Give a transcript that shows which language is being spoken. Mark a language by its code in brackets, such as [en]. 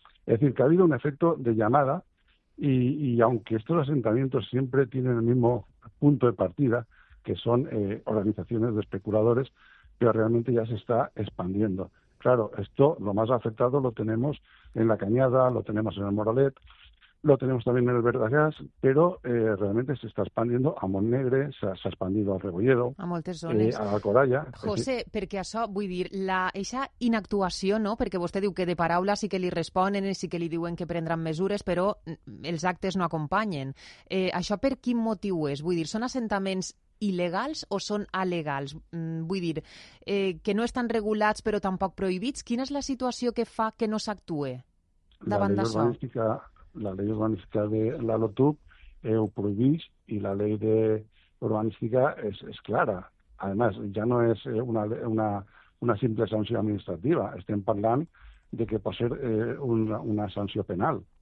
[es] Es decir, que ha habido un efecto de llamada, y aunque estos asentamientos siempre tienen el mismo punto de partida, que son organizaciones de especuladores, pero realmente ya se está expandiendo. Claro, esto, lo más afectado lo tenemos en la Cañada, lo tenemos en el Moralet, lo tenemos también en el Verdagás, pero realmente se está expandiendo a Montnegre, se ha expandido a Rebolledo, [ca] a moltes zones, a la Coralla. José, sí. Perquè això, vull dir, eixa inactuació, no? Perquè vostè diu que de paraula sí que li responen, sí que li diuen que prendran mesures, però els actes no acompanyen. Això per quin motiu és? Vull dir, són assentaments il·legals o són alegals? Vull dir, que no estan regulats però tampoc prohibits. Quina és la situació que fa que no s'actue davant d'això? [es] La ley urbanística de la LOTUP [ca] ho prohibís, [es] y la ley de urbanística es clara. Además, ya no es una simple sanción administrativa. [ca] Estem parlant de que pot ser una sanción penal.